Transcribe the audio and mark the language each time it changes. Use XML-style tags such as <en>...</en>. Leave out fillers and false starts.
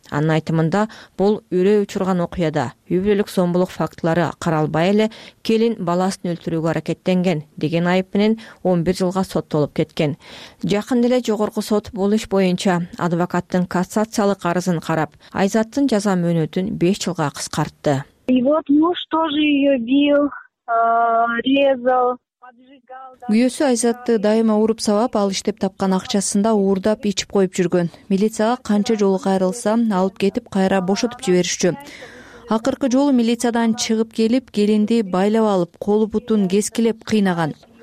<ky>Анын айтымында бул үрөй учурган окуяда үй бүлөлүк зомбулук фактылары каралбай эле келин баласын өлтүрүүгө аракеттенген деген айып менен 11 жылга соттолуп кеткен. Жакында эле жогорку сот бул иш боюнча адвокаттын кассациялык арызын карап, Айзаттын жаза мөөнөтүн 5 жылга кыскартты.</ky> <ru>И вот муж тоже ее бил, резал.</ru> <ky>Күйөөсү Айзатты дайыма уруп сабап, ал иштеп тапкан акчасында уурдап ичип коюп жүргөн. Милицияга канча жолу кайрылса, алып кетип кайра бошотуп жиберишчү. Акыркы жолу милициядан чыгып келип, келинди байлап алып, колу бутун кескилеп кыйнаган.</ky>